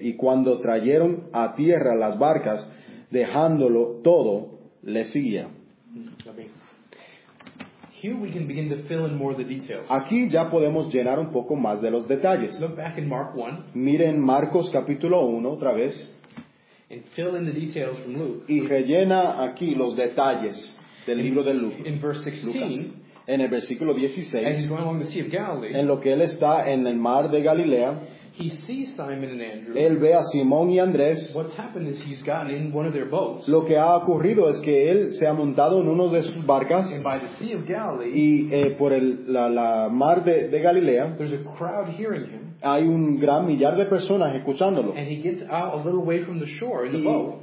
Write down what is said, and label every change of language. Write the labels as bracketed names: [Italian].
[Spanish] y cuando trayeron a tierra las barcas, dejándolo todo, le seguía. [English] Here we can begin to fill in more of the details. [Spanish] Aquí ya podemos llenar un poco más de los detalles. [English] Look back in Mark 1. [Spanish] Miren Marcos capítulo 1 otra vez. [English] And fill in the details from Luke. [Spanish] Y rellena aquí los detalles del libro de Lucas. [English] In verse 16, [Spanish] en el versículo 16, [English] as he's going along the Sea of Galilee, [Spanish] en lo que él está en el mar de Galilea, [English] he sees Simon and Andrew. [Spanish] Él ve a Simón y Andrés. [English] What's happened is he's gotten in one of their boats. [Spanish] Lo que ha ocurrido es que él se ha montado en uno de sus barcas. [English] And by the Sea of Galilee, [Spanish] y por la mar de Galilea, [English] there's a crowd hearing him. [Spanish] Hay un gran millar de personas escuchándolo. [English] And he gets out a little way from the shore in the boat.